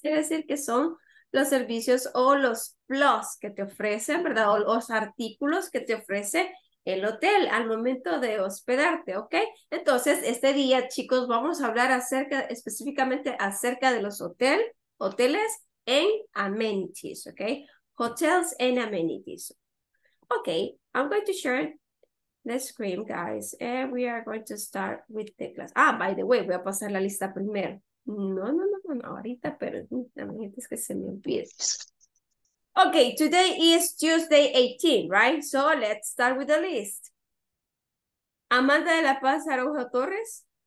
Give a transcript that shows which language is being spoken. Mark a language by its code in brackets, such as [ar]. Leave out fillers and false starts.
[es] Quiere decir que son los servicios o los plus que te ofrecen, ¿verdad? O los artículos que te ofrece el hotel al momento de hospedarte, ¿ok? Entonces, este día, chicos, vamos a hablar acerca, específicamente acerca de los hoteles en amenities, ¿ok? [en] Hotels and amenities. Ok, I'm going to share the screen, guys, and we are going to start with the class. By the way, [es] voy a pasar la lista primero. No, ahorita, pero también es que se me olvide. [en] Okay, today is Tuesday 18, right? So let's start with the list. Amanda de la Paz Araujo Torres.